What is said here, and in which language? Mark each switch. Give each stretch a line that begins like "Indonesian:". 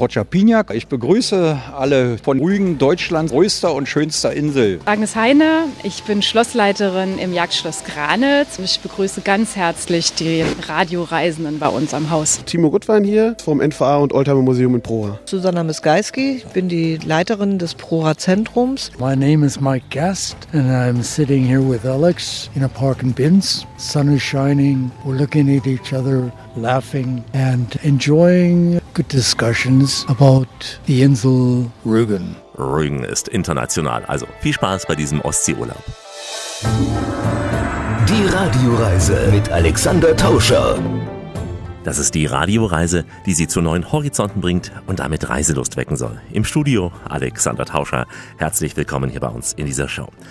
German: Roger Pignac, ich begrüße alle von Rügen, Deutschlands größter und schönster Insel. Agnes Heine, ich bin Schlossleiterin im Jagdschloss Granitz. Ich begrüße ganz herzlich die Radioreisenden bei uns am Haus. Timo Guttwein hier vom NVA und Oldtimer Museum in Prora. Susanna Misgeiski, ich bin die Leiterin des Prora Zentrums.
English: My name is Mike Guest and I'm sitting here with Alex in a park. Binz. Sun is shining, we're looking at each other, laughing and enjoying good discussions about the Insel Rügen.
German: Rügen ist international, also viel Spaß bei diesem Ostseeurlaub. Die Radioreise mit Alexander Tauscher. Das ist die Radioreise, die Sie zu neuen Horizonten bringt und damit Reiselust wecken soll. Im Studio Alexander Tauscher. Herzlich willkommen hier bei uns in dieser Show.